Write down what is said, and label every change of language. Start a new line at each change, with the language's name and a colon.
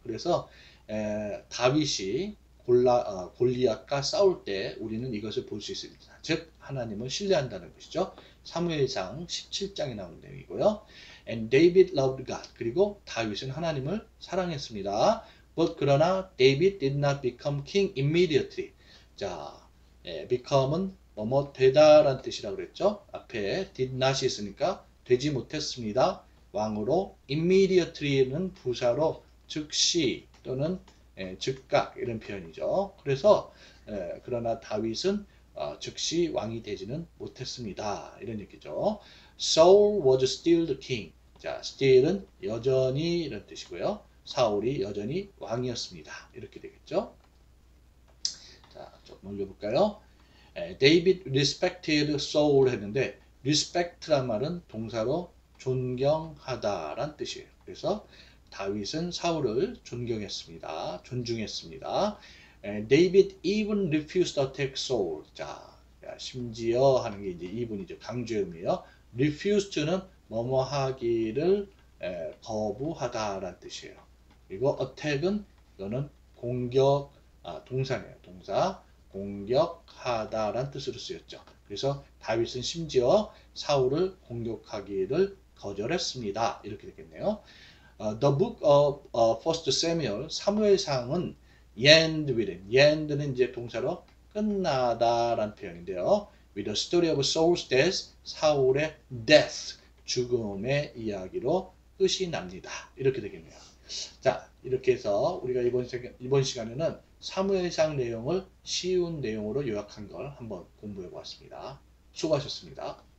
Korean: 그래서 다윗이 골리앗과 싸울 때 우리는 이것을 볼 수 있습니다. 즉 하나님을 신뢰한다는 것이죠. 사무엘상 17장에 나온 내용이고요.
English: And David loved God.
Korean: 그리고 다윗은 하나님을 사랑했습니다.
English: But
Korean: 그러나
English: David did not become king immediately.
Korean: 자, become은 뭐뭐 되다라는 뜻이라고 그랬죠. 앞에 did not이 있으니까 되지 못했습니다. 왕으로 immediately는 부사로 즉시 또는 즉각 이런 표현이죠. 그래서 그러나 다윗은 즉시 왕이 되지는 못했습니다. 이런 얘기죠.
English: Saul was still the king.
Korean: 자, still은 여전히 이런 뜻이고요. 사울이 여전히 왕이었습니다. 이렇게 되겠죠. 자, 좀 올려볼까요?
English: David respected Saul
Korean: 했는데 respect란 말은 동사로 존경하다란 뜻이에요. 그래서 다윗은 사울을 존경했습니다. 존중했습니다.
English: David even refused to take Saul.
Korean: 자, 심지어 하는 게 이제 even이죠. 강조음이에요. refused는 뭐뭐 하기를 거부하다란 뜻이에요. 그리고 attack은 이거는 공격, 동사네요. 동사. 공격하다란 뜻으로 쓰였죠. 그래서 다윗은 심지어 사울을 공격하기를 거절했습니다. 이렇게 되겠네요.
English: The book of 1 Samuel, 사무엘상은 end with,
Korean: end는 이제 동사로 끝나다란 표현인데요.
English: With the story of Saul's death,
Korean: 사울의 death, 죽음의 이야기로 끝이 납니다. 이렇게 되겠네요. 자, 이렇게 해서 우리가 이번 시간에는 사무엘상 내용을 쉬운 내용으로 요약한 걸 한번 공부해 보았습니다. 수고하셨습니다.